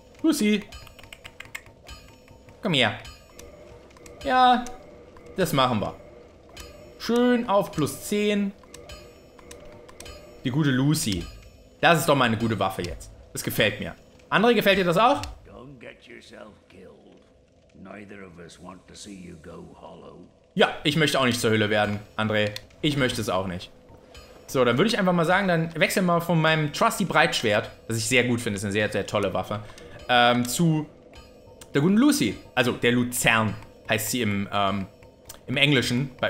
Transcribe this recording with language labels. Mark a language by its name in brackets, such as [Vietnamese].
[German] Pussy. Komm her. Ja, das machen wir. Schön auf plus 10. Die gute Lucy. Das ist doch mal eine gute Waffe jetzt. Das gefällt mir. André, gefällt dir das auch? [English] Don't get yourself killed. Neither of us want to see you go hollow. [German] Ja, ich möchte auch nicht zur Hülle werden, André. Ich möchte es auch nicht. So, dann würde ich einfach mal sagen, dann wechseln wir mal von meinem trusty Breitschwert, das ich sehr gut finde, ist eine sehr, sehr tolle Waffe, zu der guten Lucy. Also, der Luzern heißt sie im Englischen.